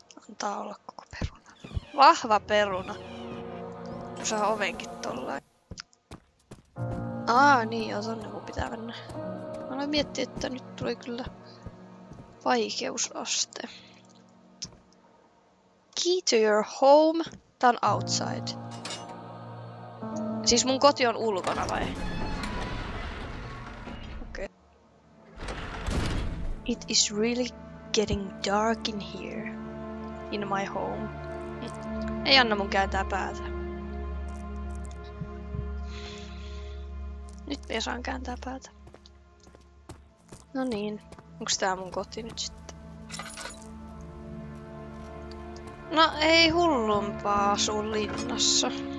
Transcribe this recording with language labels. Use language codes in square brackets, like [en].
[fi] Antaa olla koko peruna. Vahva peruna. Saa ovenkin tolleen. Aa, niin joo, tonne mun pitää mennä. Mä aloin miettiä, että nyt tuli kyllä vaikeusaste. [en] Key to your home, done outside. [fi] Siis mun koti on ulkona vai? Okei. Okay. [en] It is really getting dark in here. In my home. [fi] Ei anna mun kääntää päätä. Nyt mä saan kääntää päätä. No niin, onks tää mun koti nyt sitten? No ei hullumpaa sun linnassa.